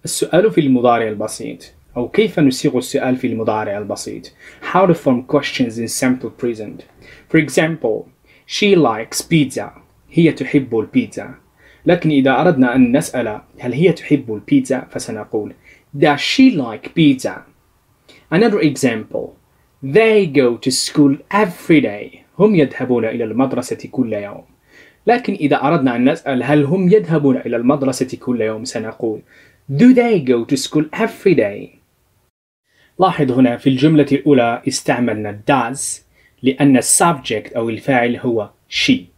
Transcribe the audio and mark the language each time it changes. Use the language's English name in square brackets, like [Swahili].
[Arabic] السؤال في المضارع البسيط، أو كيف نصيغ السؤال في المضارع البسيط. [English] How to form questions in simple present. For example, she likes pizza. [Arabic] هي تحب البيتزا. لكن إذا أردنا أن نسأل هل هي تحب البيتزا، فسنقول [English] Does she like pizza? Another example: They go to school every day. [Arabic] هم يذهبون إلى المدرسة كل يوم. لكن إذا أردنا أن نسأل هل هم يذهبون إلى المدرسة كل يوم، سنقول [English] Do they go to school every day? [Arabic] لاحظ هنا في الجملة الأولى استعملنا does، لأن subject أو الفاعل هو she.